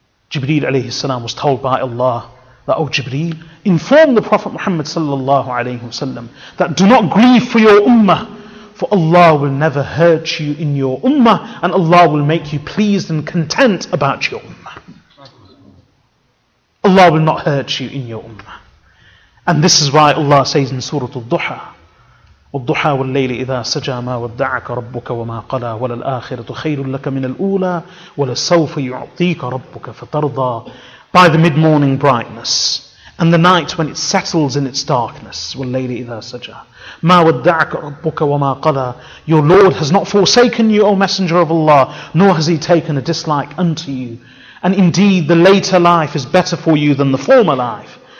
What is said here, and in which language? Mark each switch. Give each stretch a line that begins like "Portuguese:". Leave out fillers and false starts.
English: Jibreel alayhi salam was told by Allah that, O Jibreel, inform the Prophet Muhammad sallallahu alayhi wasallam that do not grieve for your ummah, for Allah will never hurt you in your ummah, and Allah will make you pleased and content about your ummah. Allah will not hurt you in your ummah. And this is why Allah says in Surah Al-Duha,
Arabic: وَالْضُحَى وَالْلَّيْلِ إِذَا سَجَى مَا وَدَّعَكَ رَبُّكَ وَمَا قَلَى وَلَلْآخِرَةُ خَيْرٌ لَكَ مِنَ الْأُولَى وَلَسَوْفَ يُعْطِيكَ رَبُّكَ فَتَرْضَى.
English: By the mid-morning brightness, and the night when it settles in its darkness,
Arabic: وَاللَّيْلِ إِذَا سَجَى مَا وَدَّعَكَ رَبُّكَ وَمَا قَلَى.
English: Your Lord has not forsaken you, O Messenger of Allah, nor has He taken a dislike unto you. And indeed, the later life is better for you than the former life.